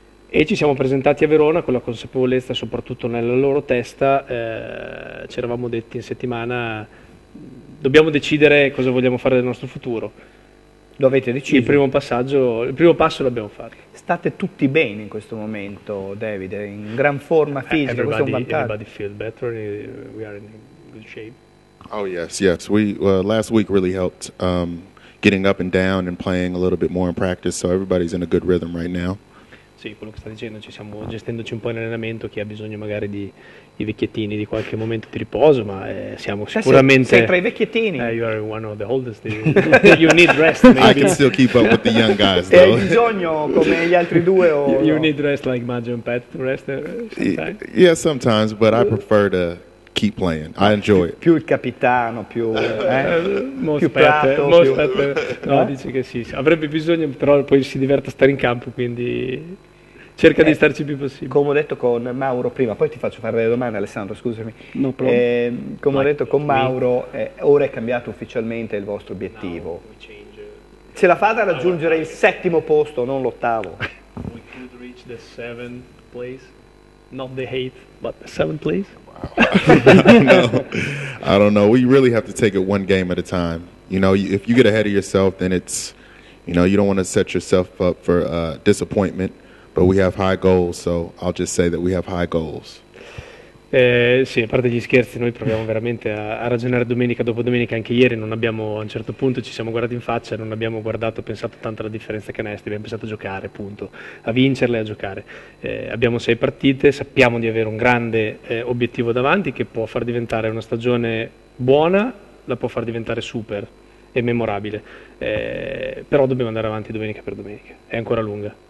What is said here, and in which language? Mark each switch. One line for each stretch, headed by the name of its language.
Italian: E ci siamo presentati a Verona con la consapevolezza, soprattutto nella loro testa, ci eravamo detti in settimana, dobbiamo decidere cosa vogliamo fare del nostro futuro. Lo avete deciso? Il primo passo l'abbiamo fatto. State tutti bene in questo momento, Davide, in gran forma fisica, questo è un vantaggio.
English: Everybody feels better, we are in good shape. Oh yes, last week really helped getting up and down and playing a little bit more in practice, so everybody's in a good rhythm right now.
Italian: Sì, quello che sta dicendo, ci stiamo gestendoci un po' in allenamento, chi ha bisogno magari di vecchiettini, di qualche momento di riposo, ma siamo sicuramente... Sei tra i vecchiettini.
English: You are one of the oldest, you need rest maybe. I can still keep up with the young guys though.
Italian: Hai bisogno come gli altri due o...
English: You need rest like Maggio and Pat to rest sometimes? Yeah, sometimes, but I prefer to keep playing, I enjoy it.
Italian: Più il capitano, più... No, dice che sì, avrebbe bisogno, però poi si diverte a stare in campo, quindi... Cerca di starci il più possibile. Come ho detto con Mauro prima, poi ti faccio fare le domande, Alessandro, scusami. No, però. Come ho detto con Mauro, ora è cambiato ufficialmente il vostro obiettivo. Ce la fate a raggiungere il settimo posto, non l'ottavo?
English: We could reach the seventh place. Not the eighth, but the seventh place. Wow. I don't know. We really have to take it one game at a time. You know, if you get ahead of yourself, then it's, you know, you don't want to set yourself up for disappointment. But we have high goals, so I'll just say that we have high goals.
Italian: Sì, a parte gli scherzi, noi proviamo veramente a ragionare domenica dopo domenica. Anche ieri non abbiamo, a un certo punto ci siamo guardati in faccia, non abbiamo guardato, pensato tanto alla differenza canestri, abbiamo pensato a giocare, punto, a vincerle, a giocare. Abbiamo 6 partite, sappiamo di avere un grande obiettivo davanti che può far diventare una stagione buona, la può far diventare super e memorabile. Però dobbiamo andare avanti domenica per domenica, è ancora lunga.